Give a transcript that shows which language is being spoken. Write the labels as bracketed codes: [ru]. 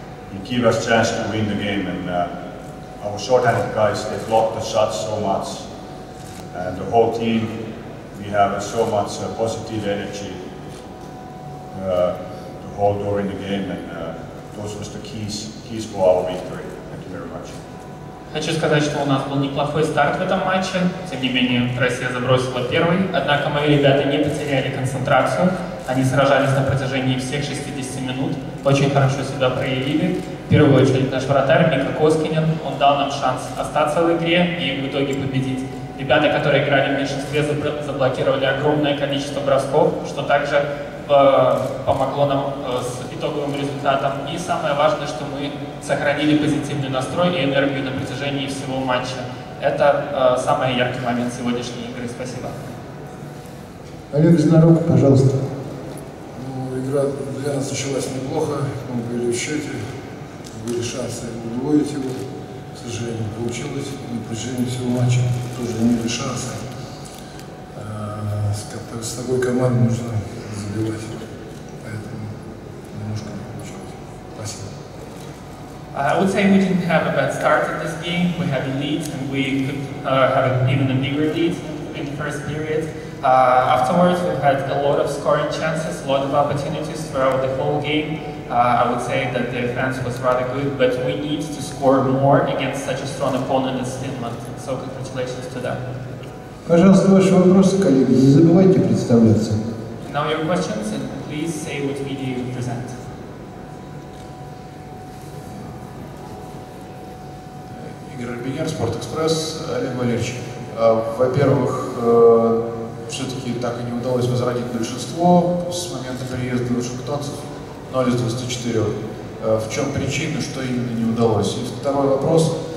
[en] he gave us chance to win the game, and our shorthanded guys, they blocked the shots so much, and the whole team, we have so much positive energy to hold during the game, and those were the keys for our victory. Thank you very much. [ru] Хочу сказать, что у нас был неплохой старт в этом матче, тем не менее Россия забросила первый, однако мои ребята не потеряли концентрацию. Они сражались на протяжении всех 60 минут, очень хорошо себя проявили. В первую очередь наш вратарь Мика Коскинен, он дал нам шанс остаться в игре и в итоге победить. Ребята, которые играли в меньшинстве, заблокировали огромное количество бросков, что также помогло нам с итоговым результатом. И самое важное, что мы сохранили позитивный настрой и энергию на протяжении всего матча. Это самый яркий момент сегодняшней игры. Спасибо. Олег Знарок, пожалуйста. Игра для нас началась неплохо, мы были в счете, были шансы удвоить его, к сожалению, получилось, на протяжении всего матча тоже имели шансы. С такой командой нужно забивать, поэтому немножко не получилось. Спасибо. [en] I would say we didn't have a bad start in this game, we had a lead and we could have even a bigger lead in the first period. Afterwards, we've had a lot of scoring chances, a lot of opportunities throughout the whole game. I would say that the defense was rather good, but we need to score more against such a strong opponent as Finland. So, congratulations to them. [ru] Пожалуйста, ваши вопросы, коллеги, не забывайте представляться. [en] Now your questions, and please say what media you present. [ru] Игорь Альбинер, Спорт-Экспресс, Олег Валерьевич. Во-первых, все-таки так и не удалось возродить большинство с момента приезда вашингтонцев 0 из 24. В чем причина, что именно не удалось? И второй вопрос.